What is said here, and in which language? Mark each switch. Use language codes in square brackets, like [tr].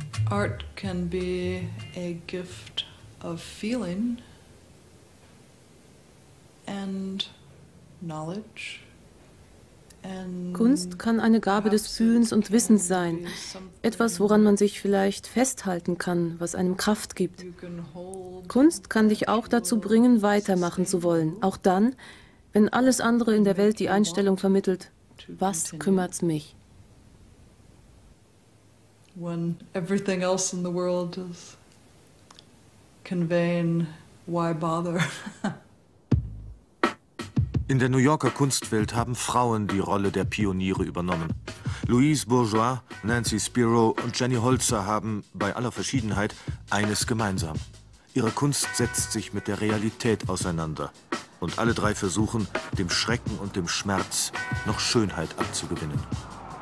[en] Art can be a gift of feeling and knowledge. [de] Kunst kann eine Gabe des Fühlens und Wissens sein, etwas, woran man sich vielleicht festhalten kann, was einem Kraft gibt. Kunst kann dich auch dazu bringen, weitermachen zu wollen, auch dann, wenn alles andere in der Welt die Einstellung vermittelt, was kümmert's mich? [en] When everything else in the world is conveying, why bother? [de] In der New Yorker Kunstwelt haben Frauen die Rolle der Pioniere übernommen. Louise Bourgeois, Nancy Spiro und Jenny Holzer haben, bei aller Verschiedenheit, eines gemeinsam. Ihre Kunst setzt sich mit der Realität auseinander. Und alle drei versuchen, dem Schrecken und dem Schmerz noch Schönheit abzugewinnen.